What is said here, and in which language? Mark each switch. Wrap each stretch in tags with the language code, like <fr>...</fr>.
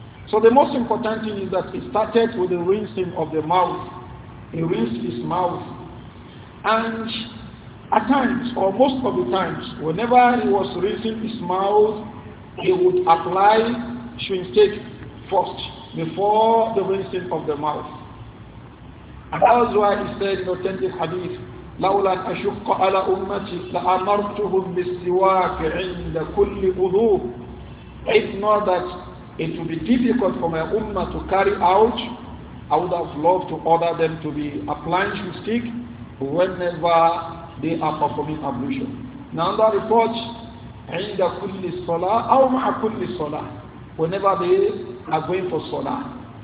<en>So the most important thing is that he started with the rinsing of the mouth. He rinsed his mouth. And at times, or most of the times, whenever he was rinsing his mouth, he would apply chewing stick first, before the rinsing of the mouth. And that is why he said in authentic hadith,</en> <ar>لولا أن أشق على أمتي لأمرتهم بالسواك عند كل وضوء.</ar> <en>If not that it would be difficult for my ummah to carry out, I would have loved to order them to be applying chewing stick whenever they are performing ablution. Now that report,</en> <ar>عند كل صلاة أو مع كل صلاة,</ar> <en>whenever they are going for salah.</en>